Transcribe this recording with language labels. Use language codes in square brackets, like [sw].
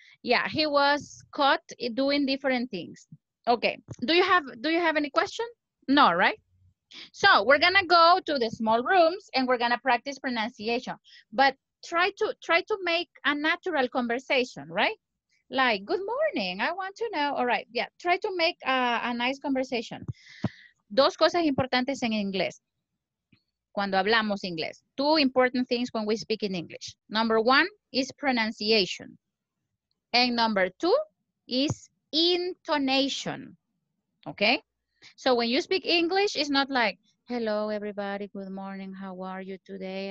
[en] Yeah, he was caught doing different things. Okay, do you have any question? No, right? So we're gonna go to the small rooms and we're gonna practice pronunciation, but try to make a natural conversation, right? Like, good morning, I want to know, all right, yeah. Try to make a nice conversation. [es] Dos cosas importantes en inglés, cuando hablamos inglés. [en] Two important things when we speak in English. Number one is pronunciation. And number two is intonation, okay? So when you speak English, it's not like, hello everybody, good morning, how are you today?